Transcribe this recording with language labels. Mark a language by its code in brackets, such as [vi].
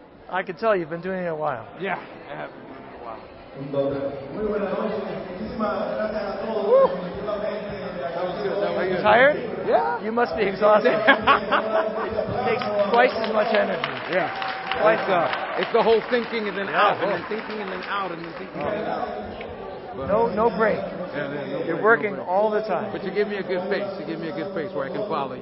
[en] I can tell you've been doing it a while. Yeah, I have been doing it a while. [es] Muy buenas noches. Muchísimas gracias a todos. [en] That was good. Tired? Yeah. You must be exhausted. It takes twice as much energy. Yeah. Twice. It's the whole thinking and then out, and then thinking and then out, and then thinking and then out. No break. You're working all the time. But you give me a good face. You give me a good face where I can follow you.